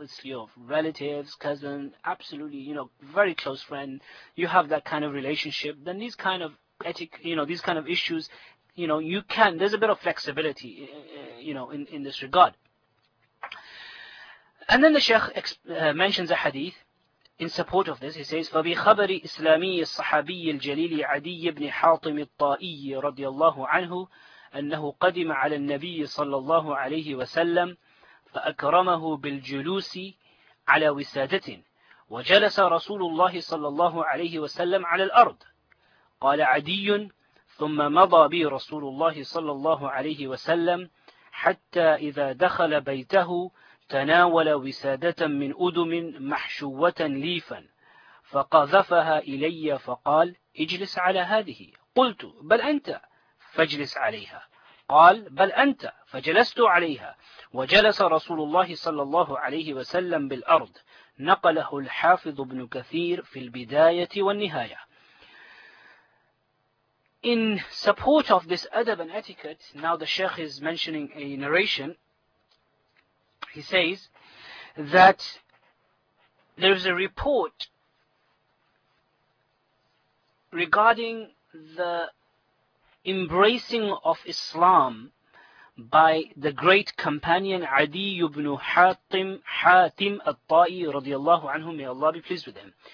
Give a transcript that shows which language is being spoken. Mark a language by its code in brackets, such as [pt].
[en] It's your relatives, cousin, absolutely, you know, very close friend. You have that kind of relationship. Then these kind of these kind of issues, you know, you can, there's a bit of flexibility, you know, in this regard. And then the Sheikh mentions a hadith in support of this. He says, [ar] فَبِي خَبَرِ إِسْلَامِيِّ الصَّحَابِيِّ الْجَلِيلِ عَدِيِّ بْنِ حَاطِمِ الطَّائِيِّ رَضِيَ اللَّهُ عَنْهُ أَنَّهُ قَدِمَ عَلَى النَّبِيِّ صَلَّى اللَّهُ عَلَيْهِ وَسَلَّمْ فَأَكْرَمَهُ بِالْجُلُوسِ عَلَى وِسَادَةٍ وَجَلَسَ رَسُولُ اللَّهِ صَلَّى اللَّهُ عَلَيْهِ وَسَلَّمْ عَلَى الْأَرْضِ قَالَ عَدِيٌّ ثُمَّ مَضَى بِي رَسُولُ اللَّهِ صَلَّى اللَّهُ عَلَيْهِ وَسَلَّمْ حَتَّى إِذَا دَخَلَ بَيْتَهُ تَنَاوَلَ وِسَادَةً مِنْ أُدُمٍ مَحْشُوَّةً لِيفًا فَقَذَفَهَا إِلَيَّ فَقَالَ اجلس على هذه قلت بل أنت فاجلس عليها قال بل أنت فجلست عليها وجلس رسول الله صلى الله عليه وسلم بالأرض نقله الحافظ بن كثير في البداية والنهاية. [en] In support of this adab and etiquette, now the Sheikh is mentioning a narration. He says that there is a report regarding the embracing of Islam by the great companion Adi ibn Hatim al-Ta'i radiallahu anhu, may Allah be pleased with him.